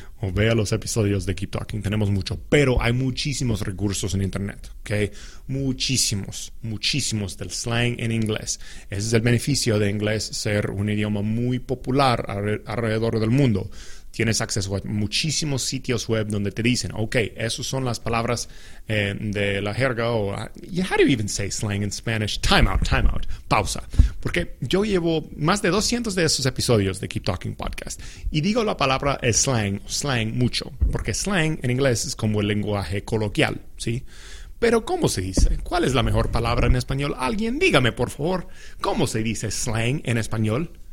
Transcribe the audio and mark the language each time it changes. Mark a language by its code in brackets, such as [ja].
[es] O vea los episodios de Keep Talking. Tenemos mucho, pero hay muchísimos recursos en internet, ¿ok? Muchísimos, muchísimos del slang en inglés. Ese es el beneficio de inglés ser un idioma muy popular alrededor del mundo. Tienes acceso a muchísimos sitios web donde te dicen, ok, esas son las palabras de la jerga. [en] O, how do you even say slang in Spanish? Time out. [es] Pausa. Porque yo llevo más de 200 de esos episodios de Keep Talking Podcast. Y digo la palabra slang mucho. Porque slang en inglés es como el lenguaje coloquial, ¿sí? Pero ¿cómo se dice? ¿Cuál es la mejor palabra en español? Alguien dígame, por favor, ¿cómo se dice slang en español?